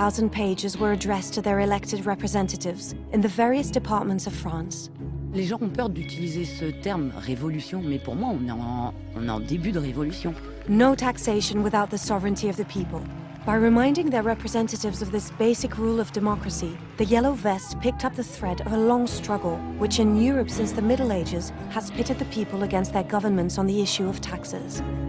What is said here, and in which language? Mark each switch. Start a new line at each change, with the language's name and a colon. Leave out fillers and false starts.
English: Pages were addressed to their elected representatives in the various departments of France.
French: Les gens ont peur d'utiliser ce terme révolution, mais pour moi, on est en début de révolution.
English: No taxation without the sovereignty of the people. By reminding their representatives of this basic rule of democracy, the yellow vest picked up the thread of a long struggle, which in Europe since the Middle Ages has pitted the people against their governments on the issue of taxes.